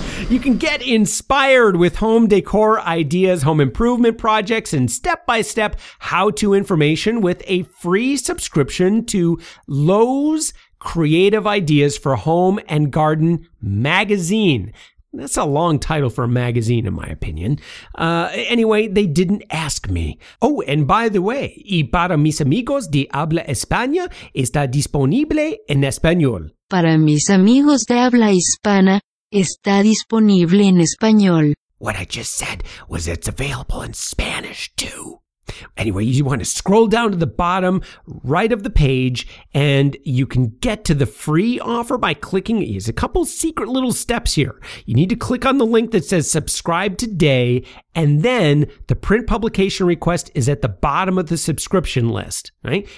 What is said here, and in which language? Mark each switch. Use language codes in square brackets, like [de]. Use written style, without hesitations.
[en] You can get inspired with home decor ideas, home improvement projects, and step-by-step how-to information with a free subscription to Lowe's Creative Ideas for Home and Garden magazine. That's a long title for a magazine, in my opinion. Anyway, they didn't ask me. Oh, and by the way, [es] y para mis amigos de habla España, está disponible en español. Para mis amigos de habla hispana, está disponible en español. [en] What I just said was it's available in Spanish, too. Anyway, you want to scroll down to the bottom right of the page, and you can get to the free offer by clicking. There's a couple secret little steps here. You need to click on the link that says subscribe today, and then the print publication request is at the bottom of the subscription list, right?